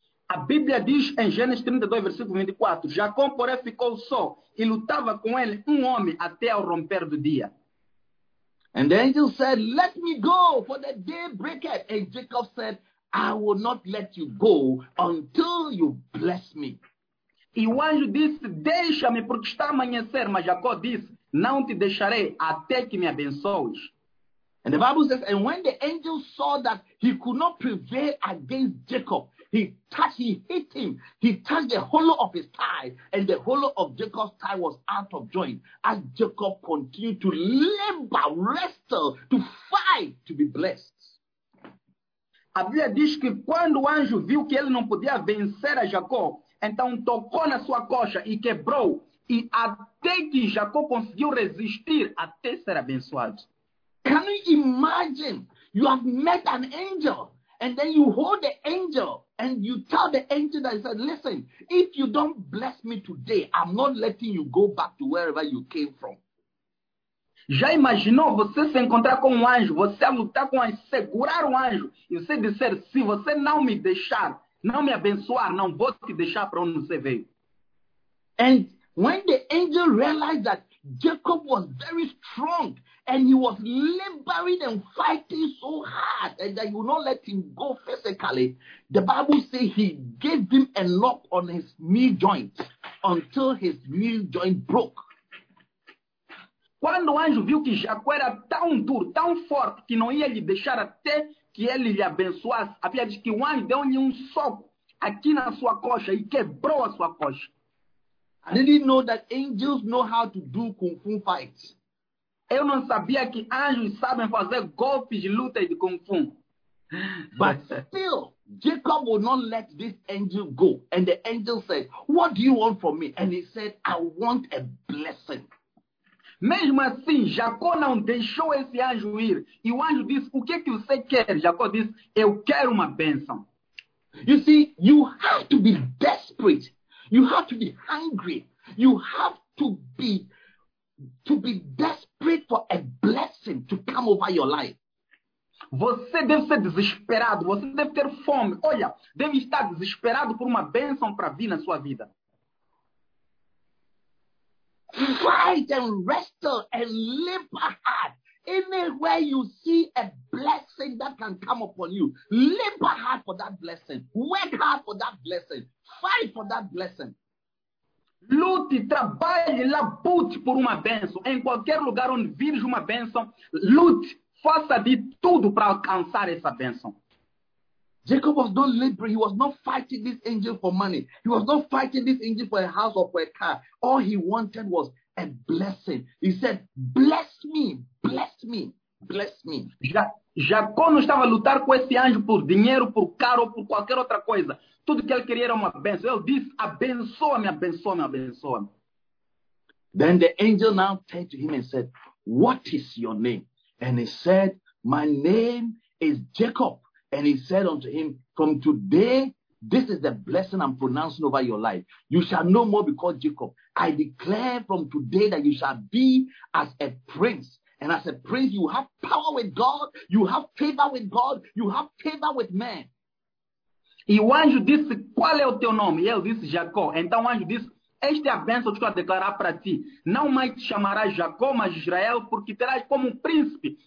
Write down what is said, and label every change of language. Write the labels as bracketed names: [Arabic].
[Portuguese] A Bíblia diz em Gênesis 32, versículo 24, Jacó, porém, ficou só e lutava com ele um homem até ao romper do dia. [English] And the angel said, let me go, for the day breaketh. And Jacob said, I will not let you go until you bless me. [Portuguese] E o anjo disse, deixa-me, porque está a amanhecer. Mas Jacó disse, não te deixarei até que me abençoes. [English] And the Bible says, and when the angel saw that he could not prevail against Jacob, he hit him, he touched the hollow of his thigh, and the hollow of Jacob's thigh was out of joint, as Jacob continued to labor, wrestle, to fight, to be blessed. [Portuguese] A Bíblia diz que quando o anjo viu que ele não podia vencer a Jacó, então tocou na sua coxa e quebrou, e até que Jacó conseguiu resistir, até ser abençoado. [English] Can you imagine? You have met an angel, and then you hold the angel, and you tell the angel that he said, listen, if you don't bless me today, I'm not letting you go back to wherever you came from. [Portuguese] Já imaginou você se encontrar com um anjo, você lutar com um, segurar um anjo, e você dizer, se você não me deixar, não me abençoar, não vou te deixar para onde você veio. [English] And when the angel realized that Jacob was very strong, and he was laboring and fighting so hard, and that he would not let him go physically, the Bible says he gave him a knock on his knee joint until his knee joint broke. [Portuguese] Quando o anjo viu que Jacó era tão duro, tão forte, que não ia lhe deixar até que ele lhe abençoasse, a Bíblia diz que o anjo deu-lhe um soco aqui na sua coxa e quebrou a sua coxa. [English] I didn't know that angels know how to do kung fu fights. [Portuguese] Eu não sabia que anjos sabem fazer golpes de luta e de kung fu. [English] But still, Jacob will not let this angel go. And the angel said, what do you want from me? And he said, I want a blessing. [Portuguese] Mesmo assim, Jacó não deixou esse anjo ir. E o anjo disse, o que que você quer? Jacó disse, eu quero uma bênção. [English] You see, you have to be desperate. You have to be hungry. You have to be desperate for a blessing to come over your life. [Portuguese] Você deve ser desesperado, você deve ter fome. Olha, deve estar desesperado por uma bênção para vir na sua vida. [English] Fight and wrestle and leap ahead. Anywhere you see a blessing that can come upon you, leap ahead for that blessing. Work hard for that blessing. Fight for that blessing. [Portuguese] Lute, trabalhe, labute por uma bênção. Em qualquer lugar onde vires uma bênção, lute, faça de tudo para alcançar essa bênção. [English] Jacob was not laboring. He was not fighting this angel for money. He was not fighting this angel for a house or for a car. All he wanted was a blessing. He said, bless me, bless me, bless me. [Portuguese] Jacó não estava a lutar com esse anjo por dinheiro, por carro ou por qualquer outra coisa. Tudo que ele queria era uma bênção. Ele disse, abençoa-me, abençoa-me, abençoa-me. [English] Then the angel now turned to him and said, what is your name? And he said, my name is Jacob. And he said unto him, from today, this is the blessing I'm pronouncing over your life. You shall no more be called Jacob. I declare from today that you shall be as a prince. And as a prince, you have power with God. You have favor with God. You have favor with man. [Portuguese] E o anjo disse, qual é o teu nome? E ele disse, Jacó. Então o anjo disse, esta é a bênção que eu declarar para ti. Não mais te chamarás Jacó, mas Israel, porque terás como um príncipe.